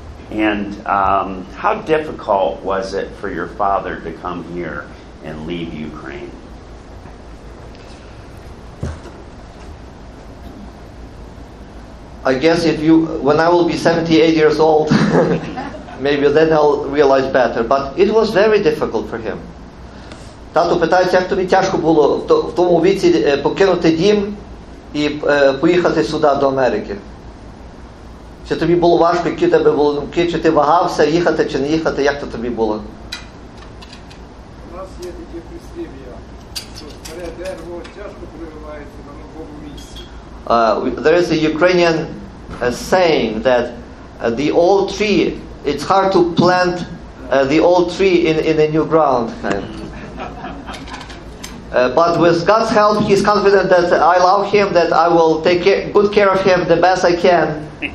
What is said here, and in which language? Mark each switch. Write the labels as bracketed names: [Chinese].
[English] And how difficult was it for your father to come here and leave Ukraine? I guess when I will be 78 years old, maybe then I'll realize better. But it was very difficult for him. [Ukrainian] Тату питається, як тобі тяжко було в тому віці покинути дім і поїхати сюди, до Америки? Чи тобі було важко, які тебе були думки, чи ти вагався їхати чи не їхати, як це тобі було? У нас є таке прислів'я, що старе дерево тяжко прививається на новому місці. [English] There is a Ukrainian saying that the old tree, it's hard to plant the old tree in a new ground. But with God's help, he's confident that I love him, that I will take good care of him the best I can.